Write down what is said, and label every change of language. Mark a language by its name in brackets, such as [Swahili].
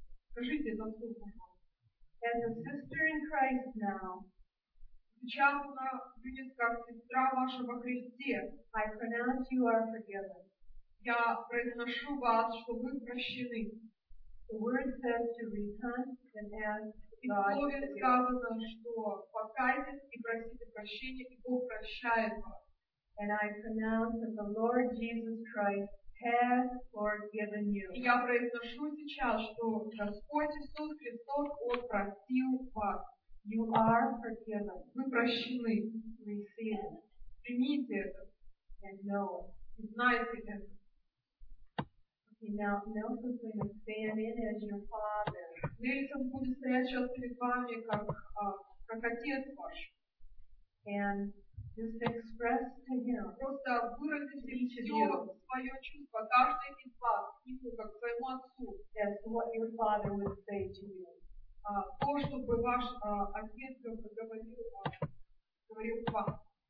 [Russian] Скажите этот слух, пожалуйста. [English] As a sister in Christ now, [Russian] сейчас она видит, как сестра ваша во Христе, [English] I pronounce you are forgiven. [Russian] Я произношу вас, что вы прощены. [English] The word says to repent and ask God. [Russian] И в слове сказано, что покайтесь и просите прощения, и Бог прощает вас. [English] And I pronounce that the Lord Jesus Christ has forgiven you. [Russian] И я произношу сейчас, что Господь Иисус Христос, Он простил вас. [English] You are forgiven. [Russian] Вы прощены. [English] Receive it. [Russian] Примите это. [English] And know [Russian] it. Знайте это. [English] Now, Nelson's going to stand in as your father. [Russian] Nelson будет стоять сейчас перед вами как отец ваш. [English] And just express to him. [Russian] Просто выразите все свое чувство, каждый из вас, ему как своему отцу. [English] As to what your father would say to you. [Russian] То, чтобы ваш отец говорил к вам.